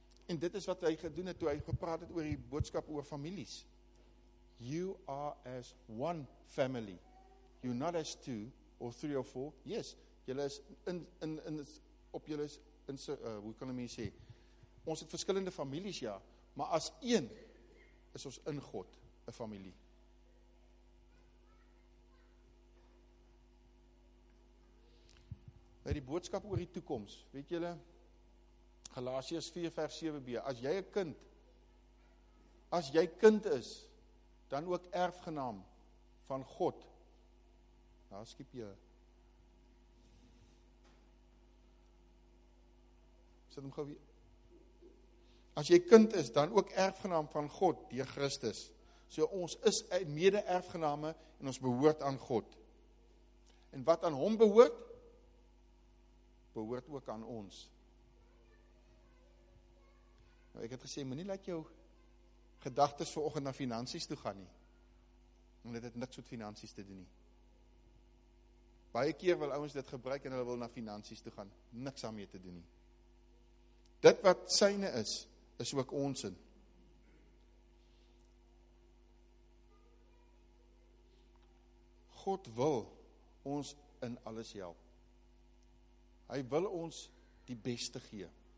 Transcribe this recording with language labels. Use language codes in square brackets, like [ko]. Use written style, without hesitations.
[af] En dit is wat hy gedoen het toe hy gepraat het oor die boodskap oor families. [en] You are as one family. You're not as two or three or four. [af] Yes, julle is in op julle is in hoe kan 'n mens sê? Ons het verskillende families ja, maar as een is ons in God 'n familie. By die boodskap oor die toekoms, weet julle, Galasiërs 4 vers 7b, as jy kind is, dan ook erfgenaam van God. Daar skiep jy. Sit hom gou weer. As jy kind is, dan ook erfgenaam van God, deur Christus. So ons is mede-erfgename en ons behoort aan God. En wat aan hom behoort, behoort ook aan ons. Nou, ek het gesê, moenie laat jou gedagtes vanoggend na finansies toe gaan nie. Want dit het niks met finansies te doen nie. Baie keer wil ouens dit gebruik en hulle wil na finansies toe gaan. Niks daarmee te doen nie. Dit wat syne is, is ook ons in. God wil ons in alles help. Hy wil ons die beste gee.